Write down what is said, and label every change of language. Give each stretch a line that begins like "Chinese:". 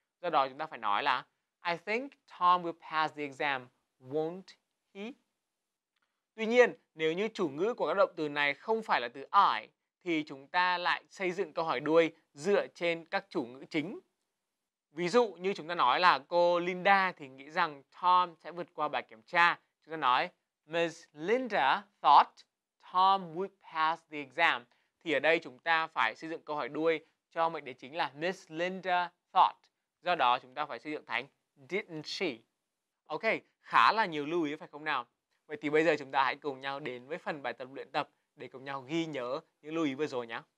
Vietnamese: Do đó chúng ta phải nói là
English: I think Tom will pass the exam, won't he?
Vietnamese: Tuy nhiên, nếu như chủ ngữ của các động từ này không phải là từ I, thì chúng ta lại xây dựng câu hỏi đuôi dựa trên các chủ ngữ chính. Ví dụ như chúng ta nói là cô Linda thì nghĩ rằng Tom sẽ vượt qua bài kiểm tra. Chúng ta nói
English: Miss Linda thought Tom would pass the exam.
Vietnamese: Thì ở đây chúng ta phải xây dựng câu hỏi đuôi cho mệnh đề chính là Miss Linda thought. Do đó chúng ta phải xây dựng thành didn't she. Ok, khá là nhiều lưu ý phải không nào? Vậy thì bây giờ chúng ta hãy cùng nhau đến với phần bài tập luyện tập để cùng nhau ghi nhớ những lưu ý vừa rồi nhé.